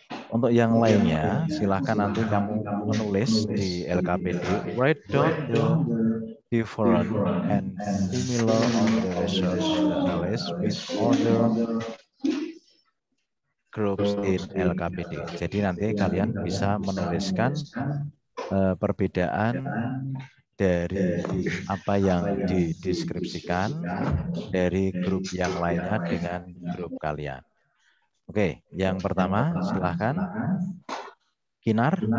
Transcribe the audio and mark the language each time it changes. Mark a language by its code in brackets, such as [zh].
[id] Untuk yang lainnya, silakan nanti kamu menulis di LKPD. [en] Write down the different and similar on the resource list with other groups in LKPD. [id] Jadi nanti kalian bisa menuliskan perbedaan dari apa yang dideskripsikan dari grup yang lainnya dengan grup kalian. Oke, yang pertama silahkan Kinar.